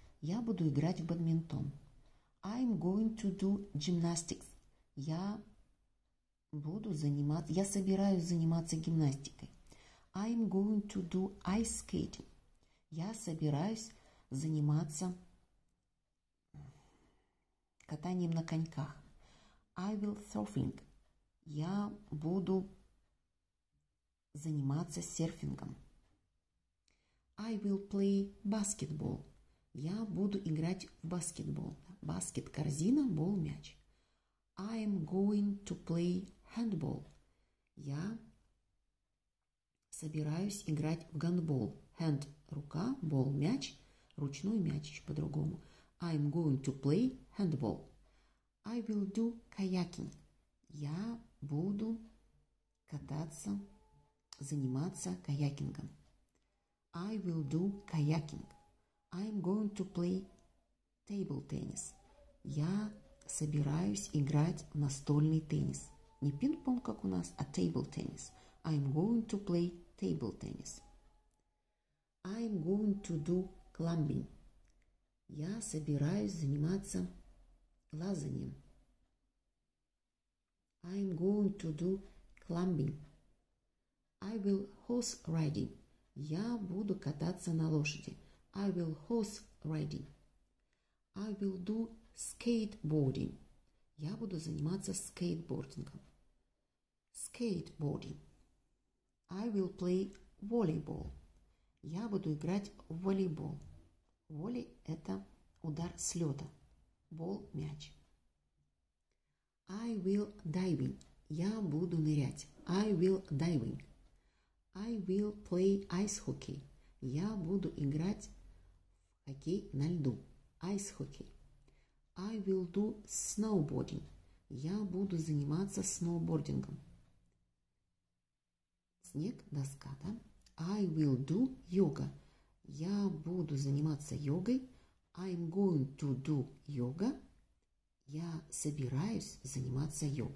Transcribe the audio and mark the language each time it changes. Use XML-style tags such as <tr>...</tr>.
<ru>Я буду играть в бадминтон.</ru> <en>I'm going to do gymnastics.</en> <ru>Я собираюсь заниматься гимнастикой.</ru> <en>I'm going to do ice skating.</en> <ru>Я собираюсь заниматься катанием на коньках.</ru> <en>I will surfing.</en> <ru>Я буду заниматься серфингом.</ru> <en>I will play basketball.</en> <ru>Я буду играть в баскетбол. Баскет – корзина, бол – мяч.</ru> <en>I am going to play handball.</en> <ru>Я собираюсь играть в гандбол. Hand – рука, бол – мяч. Ручной мяч еще по-другому.</ru> <en>I am going to play handball. I will do kayaking.</en> <ru>Я буду кататься, заниматься каякингом.</ru> <en>I will do kayaking. I'm going to play table tennis.</en> <ru>Я собираюсь играть в настольный теннис. Не пинг-понг, как у нас, а table tennis.</ru> <en>I'm going to play table tennis. I'm going to do climbing.</en> <ru>Я собираюсь заниматься лазанием.</ru> <en>I'm going to do climbing. I will horse riding.</en> <ru>Я буду кататься на лошади.</ru> <en>I will horse riding. I will do skateboarding.</en> <ru>Я буду заниматься скейтбордингом.</ru> <en>Skateboarding. I will play volleyball.</en> <ru>Я буду играть в волейбол. Волей – это удар с лёда. Бол – мяч.</ru> <en>I will diving.</en> <ru>Я буду нырять.</ru> <en>I will diving. I will play ice hockey.</en> <ru>Я буду играть в хоккей на льду.</ru> <en>Ice hockey. I will do snowboarding.</en> <ru>Я буду заниматься сноубордингом. Снег, доска, да?</ru> <en>I will do yoga.</en> <ru>Я буду заниматься йогой.</ru> <en>I'm going to do yoga.</en> <ru>Я собираюсь заниматься йогой.</ru>